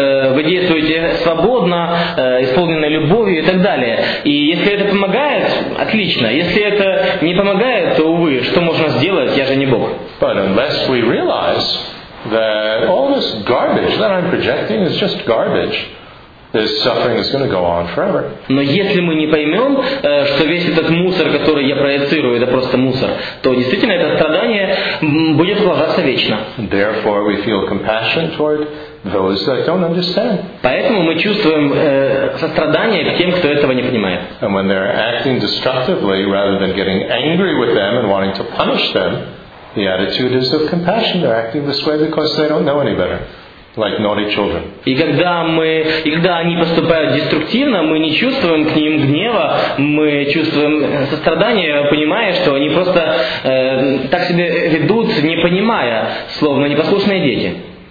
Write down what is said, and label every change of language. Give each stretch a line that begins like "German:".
Russian: Вы действуете свободно, исполненной любовью и так далее. И если это помогает, отлично. Если это не помогает, то, увы, что можно сделать? Я же не Бог.
English: But unless we realize that all this garbage that I'm projecting is just garbage, this suffering is going to go on forever.
Russian: Но если мы не поймем, что весь этот мусор, который я проецирую, это просто мусор, то действительно это страдание будет продолжаться вечно.
English: Therefore, we feel compassion toward those that don't understand.
Russian: Поэтому мы чувствуем сострадание к тем, кто этого не понимает.
English: And when they're acting destructively, rather than getting angry with them and wanting to punish them, the attitude is of compassion. They're acting this way because they don't know any better. Like naughty children.
Russian: И когда они поступают деструктивно, мы не чувствуем к ним гнева, мы чувствуем сострадание, понимая, что они просто так себя ведут, не понимая, словно непослушные дети.